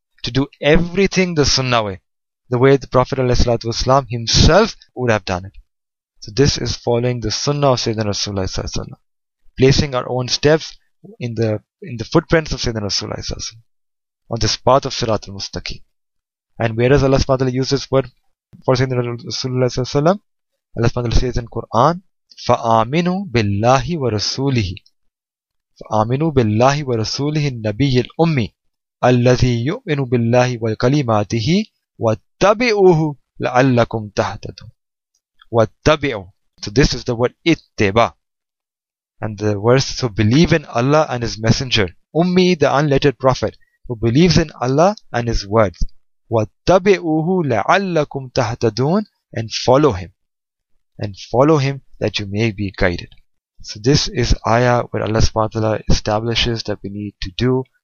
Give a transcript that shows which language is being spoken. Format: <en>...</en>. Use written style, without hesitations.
<en>To do everything the sunnah way, the way the Prophet ﷺ himself would have done it. So this is following the sunnah of Sayyidina Rasulullah ﷺ. Placing our own steps in the footprints of Sayyidina Rasulullah ﷺ, on this path of Siratul Mustaqim. And where does Allah subhanahu wa ta'ala use this word? For Sayyidina Rasulullah, Allah subhanahu wa ta'ala says in Quran,</en> <ar>فَآمِنُوا بِاللَّهِ وَرَسُولِهِ فَآمِنُوا بِاللَّهِ وَرَسُولِهِ النَّبِيِّ الْأُمِّ الَّذِي يُؤْمِنُ بِاللَّهِ وَالْكَلِمَاتِهِ وَاتَّبِعُوهُ لَعَلَّكُمْ تَهْتَدُونَ وَاتَّبِعُوا.</ar> <en>So this is the word ittiba. And the verse, so believe in Allah and His Messenger. Ummi, the unlettered prophet, who believes in Allah and His words.</en> <ar>وَاتَّبِعُوهُ لَعَلَّكُمْ تَهْتَدُونَ,</ar> <en>and follow him. And follow him that you may be guided. So this is ayah where Allah subhanahu wa ta'ala establishes that we need to do</en>